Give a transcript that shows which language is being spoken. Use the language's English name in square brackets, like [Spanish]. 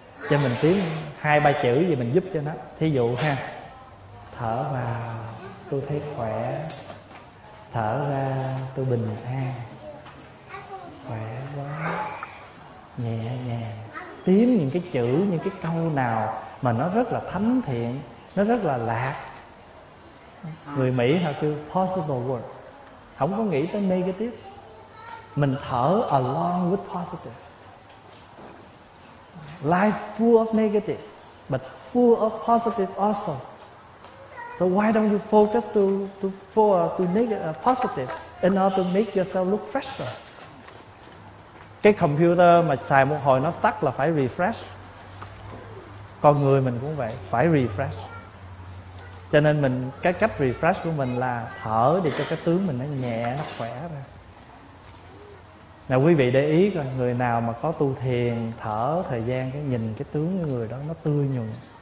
[Vietnamese] cho mình tiếng 2-3 chữ gì mình giúp cho nó. Thí dụ ha, thở vào tôi thấy khỏe, thở ra tôi bình an, khỏe quá, nhẹ nhàng. Tiếng những cái chữ, những cái câu nào mà nó rất là thánh thiện, nó rất là lạc. Người Mỹ họ kêu positive words, không có nghĩ tới negative. Mình thở [English] along with positive. Life full of negatives, but full of positive also. So why don't you focus to make positive in order to make yourself look fresher? [Vietnamese] Cái computer mà xài một hồi nó stuck là phải refresh. Con người mình cũng vậy, phải refresh. Cho nên mình, cái cách refresh của mình là thở để cho cái tướng mình nó nhẹ, nó khỏe ra. Nào quý vị để ý coi, người nào mà có tu thiền, thở thời gian, cái nhìn cái tướng của người đó nó tươi nhuận.